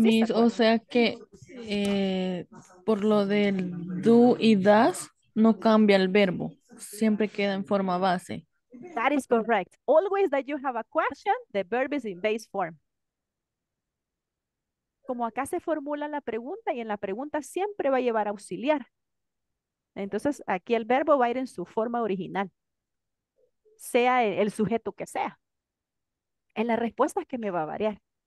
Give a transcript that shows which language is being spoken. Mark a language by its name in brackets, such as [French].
[Spanish] Miss, o sea que por lo del do y does, no cambia el verbo. Siempre queda en forma base. [English] That is correct. Always that you have a question, the verb is in base form. [Spanish] Como acá se formula la pregunta y en la pregunta siempre va a llevar auxiliar. Entonces aquí el verbo va a ir en su forma original. Sea el sujeto que sea. En la respuesta es que me va a variar.